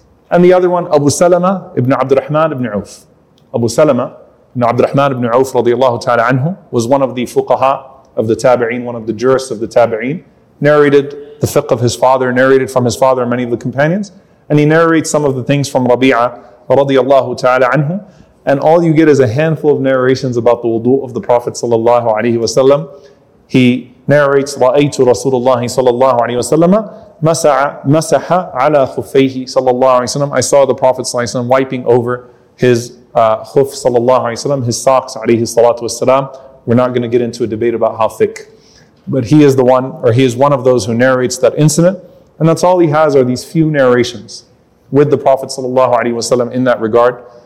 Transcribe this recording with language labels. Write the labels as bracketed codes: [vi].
[en] And the other one, Abu Salama ibn Abd al-Rahman ibn Auf. Abu Salama ibn Abd al-Rahman ibn Auf radiallahu ta'ala anhu was one of the fuqaha of the tabi'een, one of the jurists of the tabi'een, narrated the fiqh of his father, narrated from his father and many of the companions, and he narrates some of the things from Rabi'ah radiallahu ta'ala anhu, and all you get is a handful of narrations about the wudu of the Prophet sallallahu alayhi wa sallam. He narrates, [ar] رَأَيْتُ رَسُولَ اللَّهِ صَلَى اللَّهُ عَلَيْهِ وَسَلَّمَ مَسَحَ عَلَى خُفَّيْهِ صَلَى اللَّهُ عَلَيْهِ وَسَلَّمَ. [en] I saw the Prophet ﷺ wiping over his خُف صلى الله عليه وسلم, his socks عليه الصلاة والسلام. We're not going to get into a debate about how thick. But he is the one, or he is one of those who narrates that incident. And that's all he has are these few narrations with the Prophet ﷺ in that regard.